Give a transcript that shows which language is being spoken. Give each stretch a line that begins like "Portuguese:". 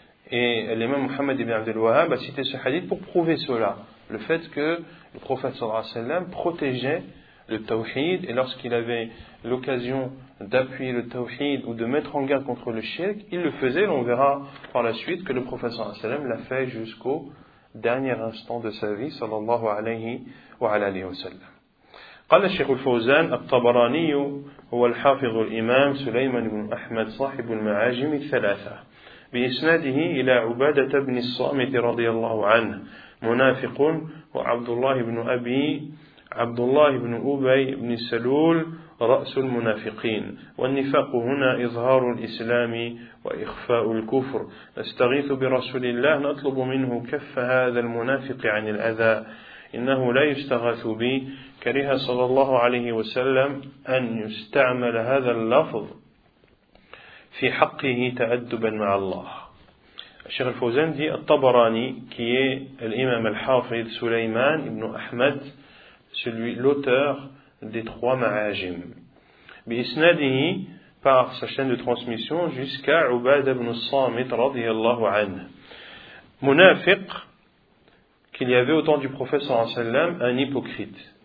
French: Et l'imam Muhammad ibn Abdul Wahhab a cité ce hadith pour prouver cela, le fait que le prophète sallallahu alayhi wa sallam protégeait le tawhid, et lorsqu'il avait l'occasion d'appuyer le tawhid ou de mettre en garde contre le shirk, il le faisait. On verra par la suite que le prophète sallallahu alayhi wa sallam l'a fait jusqu'au dernier instant de sa vie, sallallahu alayhi wa alayhi wa sallam.
Arabic: قال الشيخ الفوزان الطبراني هو الحافظ الإمام سليمان بن أحمد صاحب المعاجم الثلاثة بإسناده إلى عبادة بن الصامت رضي الله عنه منافق وعبد الله بن أبي عبد الله بن أبي بن سلول رأس المنافقين والنفاق هنا إظهار الإسلام وإخفاء الكفر نستغيث برسول الله نطلب منه كف هذا المنافق عن الأذى إنه لا يستغاث به كره صلى الله عليه وسلم أن يستعمل هذا اللفظ في حقه تأدبا مع الله. الشيخ الفوزان دي الطبراني كي الإمام الحافظ سليمان ابن أحمد
French: celui l'auteur des trois ma'ajim بإسناده par sa chaîne de transmission jusqu'à
Arabic: عبادة بن الصامت رضي الله عنه منافق,
French: qu'il y avait au temps du prophète sallallahu alayhi wa sallam un hypocrite.